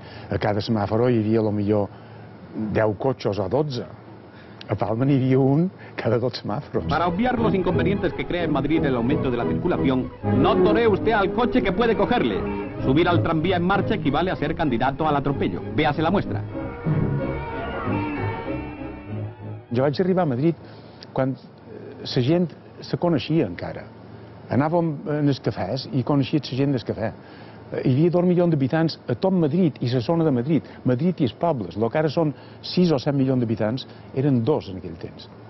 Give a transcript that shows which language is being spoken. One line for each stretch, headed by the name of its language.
Catalan: A cada semàforo hi havia, potser, 10 cotxes o 12. A Palma n'hi havia un cada 2 semàforos.
Spanish: Para obviar los inconvenientes que crea en Madrid el aumento de la circulación, no toree usted al coche que puede cogerle. Subir al tranvía en marcha equivale a ser candidato al atropello. Véase la muestra.
Catalan: Jo vaig arribar a Madrid quan la gent se coneixia encara. Anàvem en els cafès i coneixia la gent del cafè. Hi havia 2 milions d'habitants a tot Madrid i la zona de Madrid. Madrid i els pobles, el que ara són 6 o 7 milions d'habitants, eren 2 en aquell temps.